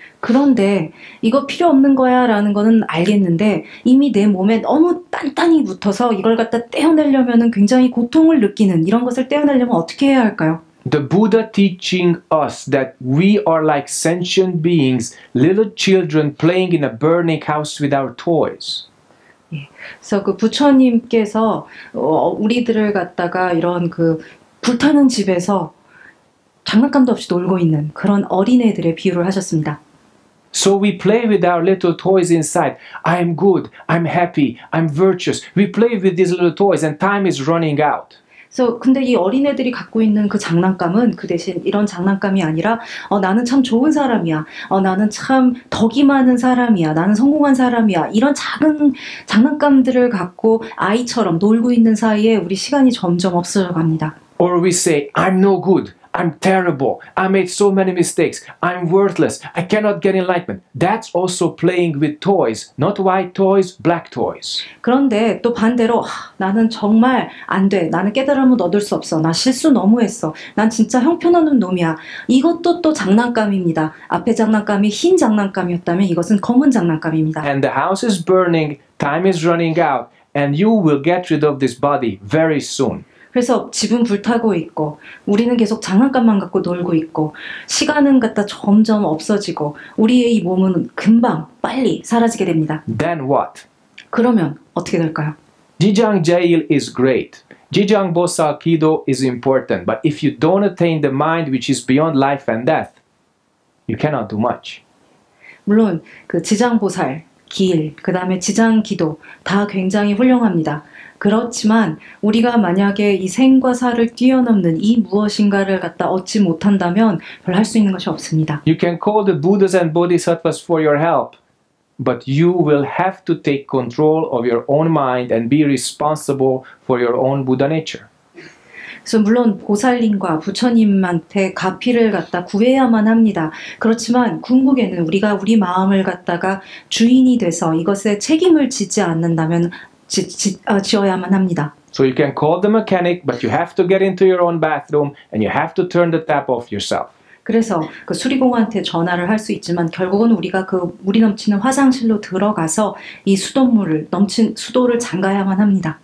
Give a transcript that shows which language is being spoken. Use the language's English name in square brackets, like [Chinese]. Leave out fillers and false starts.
[Korean] 그런데 이거 필요 없는 거야라는 거는 알겠는데 이미 내 몸에 너무 단단히 붙어서 이걸 갖다 떼어내려면은 굉장히 고통을 느끼는 이런 것을 떼어내려면 어떻게 해야 할까요? [English] The Buddha teaching us that we are like sentient beings, little children playing in a burning house with our toys. [Korean] 예, 그래서 그 부처님께서 우리들을 갖다가 이런 그 불타는 집에서 장난감도 없이 놀고 있는 그런 어린애들의 비유를 하셨습니다. [English] So we play with our little toys inside. I'm good. I'm happy. I'm virtuous. We play with these little toys and time is running out. [Korean] So 근데 이 어린애들이 갖고 있는 그 장난감은 그 대신 이런 장난감이 아니라 나는 참 좋은 사람이야. 나는 참 덕이 많은 사람이야. 나는 성공한 사람이야. 이런 작은 장난감들을 갖고 아이처럼 놀고 있는 사이에 우리 시간이 점점 없어져 갑니다. [English] Or we say I'm no good. I'm terrible. I made so many mistakes. I'm worthless. I cannot get enlightenment. That's also playing with toys, not white toys, black toys. [Korean] 그런데 또 반대로 나는 정말 안 돼. 나는 깨달음을 얻을 수 없어. 나 실수 너무 했어. 난 진짜 형편없는 놈이야. 이것도 또 장난감입니다. 앞에 장난감이 흰 장난감이었다면 이것은 검은 장난감입니다. [English] And the house is burning. Time is running out. And you will get rid of this body very soon. [Korean] 그래서 집은 불타고 있고 우리는 계속 장난감만 갖고 놀고 있고 시간은 갖다 점점 없어지고 우리의 이 몸은 금방 빨리 사라지게 됩니다. [English] Then what? [Korean] 그러면 어떻게 될까요? [English] Jijang Jail is great. Jijang Bosa Kido is important. But if you don't attain the mind which is beyond life and death, you cannot do much. [Korean] 물론 그 지장보살, 길, 그 다음에 지장기도 다 굉장히 훌륭합니다. 그렇지만 우리가 만약에 이 생과 사를 뛰어넘는 이 무엇인가를 갖다 얻지 못한다면 별 할 수 있는 것이 없습니다. [English] You can call the Buddhas and Bodhisattvas for your help, but you will have to take control of your own mind and be responsible for your own Buddha nature. [Korean] 그래서 물론 보살님과 부처님한테 가피를 갖다 구해야만 합니다. 그렇지만 궁극에는 우리가 우리 마음을 갖다가 주인이 돼서 이것에 책임을 지지 않는다면 지어야만 합니다. [English] So you can call the mechanic, but you have to get into your own bathroom and you have to turn the tap off yourself. [Korean] 그래서 그 수리공한테 전화를 할 수 있지만 결국은 우리가 그 물이 넘치는 화장실로 들어가서 이 수돗물을 넘친 수도를 잠가야만 합니다.